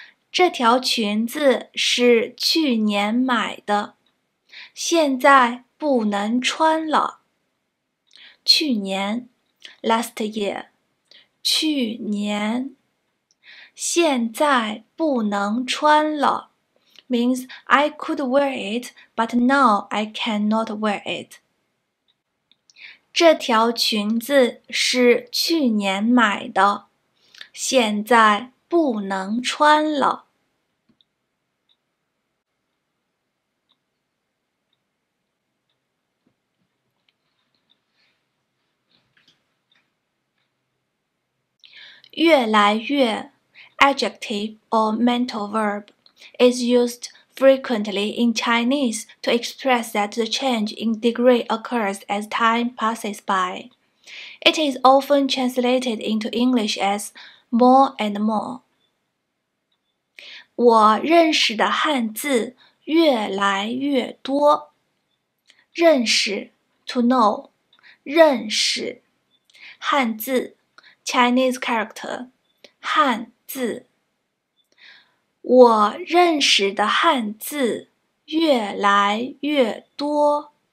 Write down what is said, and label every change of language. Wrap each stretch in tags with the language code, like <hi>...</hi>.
<zh>这条裙子是去年买的，现在不能穿了。去年 ,</zh> <en>last year,</en> <zh>去年现在不能穿了</zh> <en>means I could wear it, but now I cannot wear it.</en> <zh>这条裙子是去年买的，现在不能穿了。越来越</zh> <en>Adjective or mental verb is used frequently in Chinese to express that the change in degree occurs as time passes by. It is often translated into English as more and more.</en> <zh>我认识的汉字越来越多。认识</zh> <en>to know,</en> <zh>认识汉字</zh> <en>Chinese character,</en> <zh>汉字，我认识的汉字越来越多。</zh>